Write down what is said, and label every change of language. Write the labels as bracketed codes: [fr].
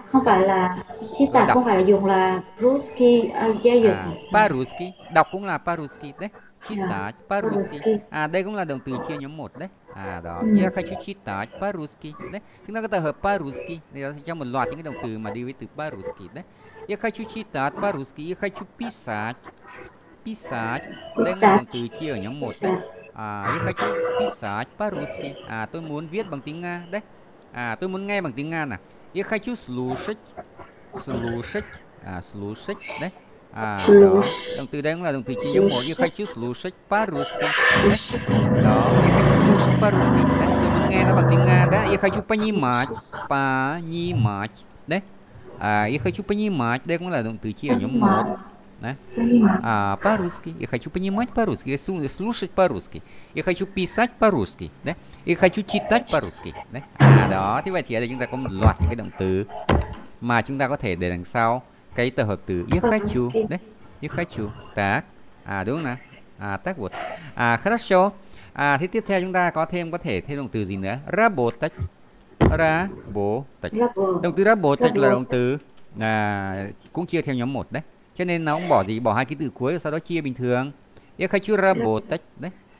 [vi] Không phải là chita, không phải là dùng là ruski paruski, đọc cũng là paruski đấy. Chita paruski. À đây cũng là động từ chia nhóm 1 đấy. À đó. [ru] Я хочу читать по-русски, đấy. [vi] Chúng ta có thể hợp по-русски, thì nó sẽ cho một loạt những cái động từ mà đi với từ по-русски đấy. [ru] Я хочу читать по-русски, я хочу писать. Писать. [vi] Đây là động từ chia ở nhóm 1 đấy. [ru] À, я хочу писать по-русски. [vi] À, tôi muốn viết bằng tiếng Nga đấy. À, tôi muốn nghe bằng tiếng Nga nè. [ru] Я хочу слушать. Слушать. À, слушать. Đấy. À, đó. [vi] Động từ đây cũng là động từ chia nhóm 1. [ru] Я хочу слушать по-русски. [vi] Đó. [ru] Я хочу слушать по-русски. [vi] Đấy. Tôi muốn nghe nó bằng tiếng Nga. [ru] Đấy. Я хочу понимать. Понимать. Đấy. À, я хочу понимать. [vi] Đây cũng là động từ chia nhóm 1. Đấy. À, по-русски. [ru] Я хочу понимать по-русски. Я хочу слушать по-русски. Я хочу писать по-русски. Đấy. Я хочу читать по-русски. Đấy. [vi] Đó, thế vậy thì ở đây chúng ta có một loạt những cái động từ mà chúng ta có thể để đằng sau cái tập hợp từ [ru] я хочу, [vi] đấy, [ru] я хочу, так, [vi] à đúng không nào, à [ru] так вот, [vi] à [ru] хорошо, [vi] à thế tiếp theo chúng ta có thêm có thể thêm động từ gì nữa, [ru] работать, работать, [vi] động từ работать là động từ là cũng chia theo nhóm 1 đấy, cho nên nó cũng bỏ gì, bỏ hai ký tự cuối rồi sau đó chia bình thường, [ru] я хочу работать, [vi] đấy.